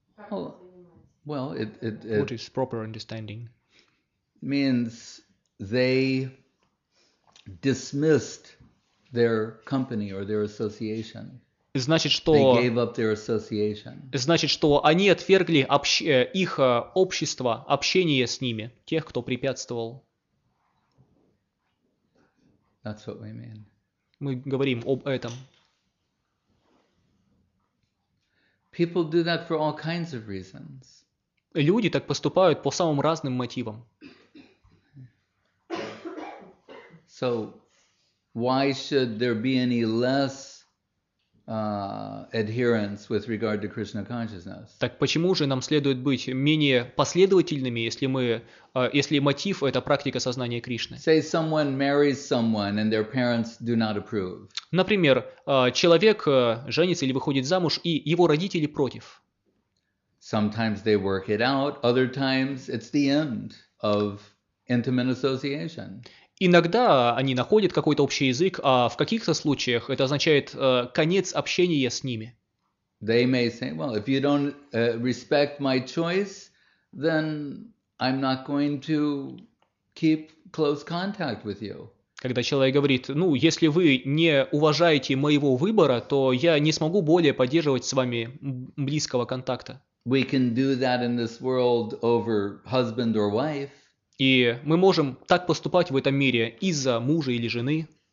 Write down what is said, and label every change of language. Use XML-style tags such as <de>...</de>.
<en>Well, what is proper understanding? Means they dismissed their company or their association.</en> <ru>Значит, что,</ru> <en>they gave up their association.</en> <ru>Значит, что они отвергли их общество, общение с ними, тех, кто препятствовал.</ru> <en>That's what we mean.</en> <ru>Мы говорим об этом.</ru> <en>People do that for all kinds of reasons.</en> <ru>Люди так поступают по самым разным мотивам.</ru> <en>So, why should there be any less adherence with regard to Krishna consciousness?</en> <ru>Так почему же нам следует быть менее последовательными, если мы, если мотив это практика сознания Кришны?</ru> <en>Say someone marries someone and their parents do not approve.</en> <ru>Например, человек женится или выходит замуж, и его родители против.</ru> <en>Sometimes they work it out, other times it's the end of intimate association.</en> <ru>Иногда они находят какой-то общий язык, а в каких-то случаях это означает конец общения с ними.</ru> <en>They may say, well, if you don't respect my choice, then I'm not going to keep close contact with you.</en> <ru>Когда человек говорит, ну, если вы не уважаете моего выбора, то я не смогу более поддерживать с вами близкого контакта.</ru> <en>We can do that in this world over husband or wife.</en> <ru>И мы можем так поступать в этом мире из-за мужа или жены.</ru>